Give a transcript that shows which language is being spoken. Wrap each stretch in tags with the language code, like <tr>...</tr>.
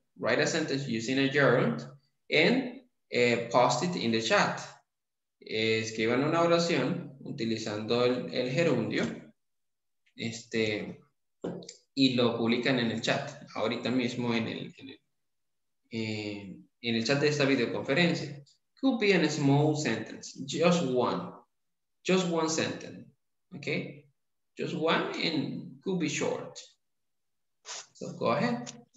<en>Write a sentence using a gerund and post it in the chat.</en> <es>Escriban una oración utilizando el gerundio y lo publican en el chat ahorita mismo en el chat de esta videoconferencia.</es> <en>Could be a small sentence, just one sentence, okay, just one, and could be short, so go ahead.</en>